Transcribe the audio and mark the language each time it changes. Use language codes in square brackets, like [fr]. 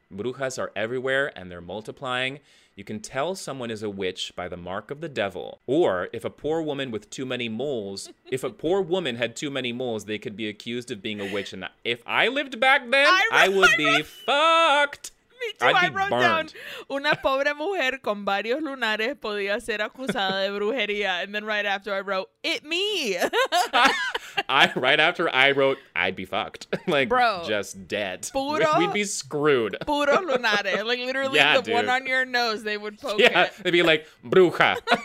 [en] Brujas are everywhere and they're multiplying. You can tell someone is a witch by the mark of the devil. Or if a poor woman with too many moles, if a poor woman had too many moles, they could be accused of being a witch. And if I lived back then, I would be fucked. [es] I wrote down, una pobre mujer con varios lunares podía ser acusada de brujería. [en] And then right after I wrote, it me. Right after I wrote, I'd be fucked. Like, bro, just dead. We'd be screwed. [es] Puro lunare. [en] Like, literally, yeah, the dude. One on your nose, they would poke it. They'd be like, bruja.